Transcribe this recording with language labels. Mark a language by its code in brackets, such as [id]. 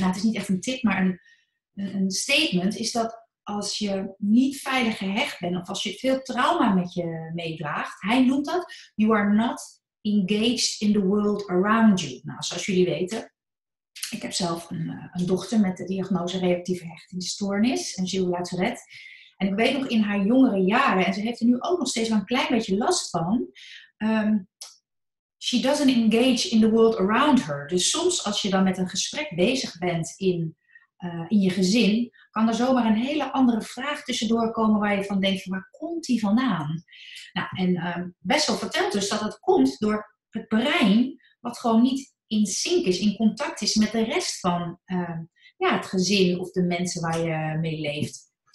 [nl] Nou, het is niet echt een tip, maar een statement. Is dat als je niet veilig gehecht bent, of als je veel trauma met je meedraagt. Hij noemt dat, you are not engaged in the world around you. Nou, zoals jullie weten. Ik heb zelf een dochter met de diagnose reactieve hechtingsstoornis, een Gilles La Tourette. En ik weet nog in haar jongere jaren, en ze heeft er nu ook nog steeds wel een klein beetje last van. [en] She doesn't engage in the world around her. [nl] Dus soms als je dan met een gesprek bezig bent in je gezin, kan er zomaar een hele andere vraag tussendoor komen waar je van denkt, waar komt die vandaan? Nou, en Bessel vertelt dus dat het komt door het brein wat gewoon niet in sync is, in contact is met de rest van het gezin of de mensen waar je mee leeft.